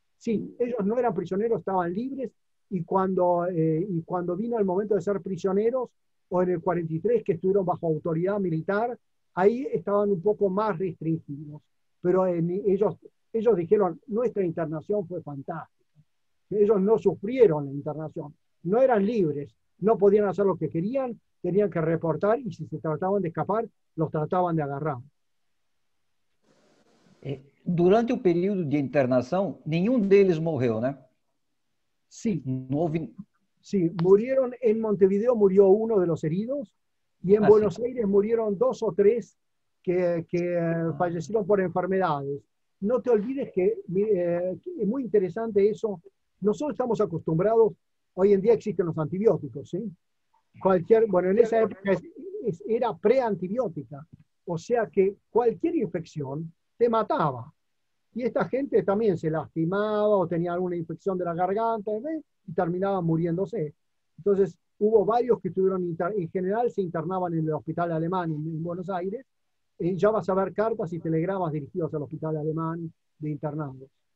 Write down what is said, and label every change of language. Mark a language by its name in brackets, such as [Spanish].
[Spanish] Sí, ellos no eran prisioneros, estaban libres, y cuando vino el momento de ser prisioneros, o en el 43, que estuvieron bajo autoridad militar, ahí estaban un poco más restringidos. Pero ellos dijeron, nuestra internación fue fantástica. Ellos no sufrieron la internación, no eran libres, no podían hacer lo que querían, tenían que reportar, y si se trataban de escapar, los trataban de agarrar. [Portuguese] Durante o período de internação, nenhum deles morreu, né? Sim. Não houve... Sim, morreram em Montevideo, morreu um dos feridos, e em Buenos Aires morreram 2 ou 3 que falleceram por enfermidades. Não [Spanish] te olvides [Portuguese] que é muito interessante isso. Nós estamos acostumados, hoje em dia existem os antibióticos, sim? Qualquer, bueno, em essa época era pré-antibiótica, ou seja, que qualquer infecção [Spanish] te mataba. Y esta gente también se lastimaba o tenía alguna infección de la garganta, ¿eh? Y terminaba muriéndose. Entonces, hubo varios que estuvieron en general se internaban en el hospital alemán en Buenos Aires. Ya vas a ver cartas y telegramas dirigidos al hospital alemán de internados.